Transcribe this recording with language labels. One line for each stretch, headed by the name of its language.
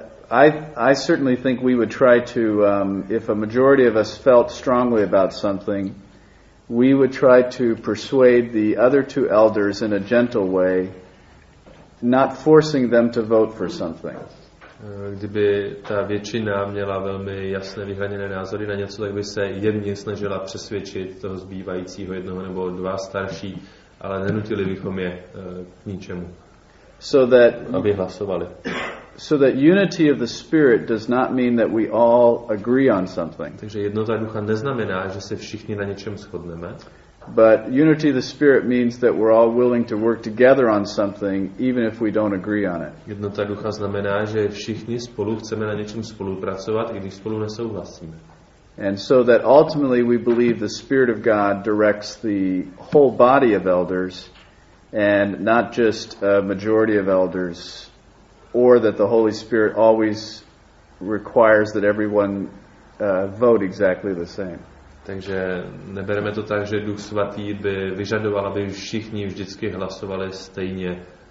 English: I certainly think we would try to, if a majority of us felt strongly about something, we would try to persuade the other two elders in a gentle way, not forcing them to vote for something.
Czech: Kdyby ta většina měla velmi jasné vyhraněné názory na něco, tak by se jemně snažila přesvědčit toho zbývajícího jednoho nebo dva starší, ale nenutili bychom je k ničemu, aby hlasovali.
English: So that unity of the spirit does not mean that we all agree on something.
Czech: Takže jednota ducha neznamená, že se všichni na něčem shodneme.
English: But unity of the spirit means that we're all willing to work together on something, even if we don't agree on it.
Czech: Jednota ducha znamená, že všichni spolu chceme na něčem spolupracovat, i když spolu nesouhlasíme.
English: And so that ultimately we believe the Spirit of God directs the whole body of elders, and not just a majority of elders or that the Holy Spirit always requires that everyone vote exactly the same.
Czech: Takže nebereme to tak, že Duch Svatý by vyžadoval, aby všichni vždycky hlasovali stejně.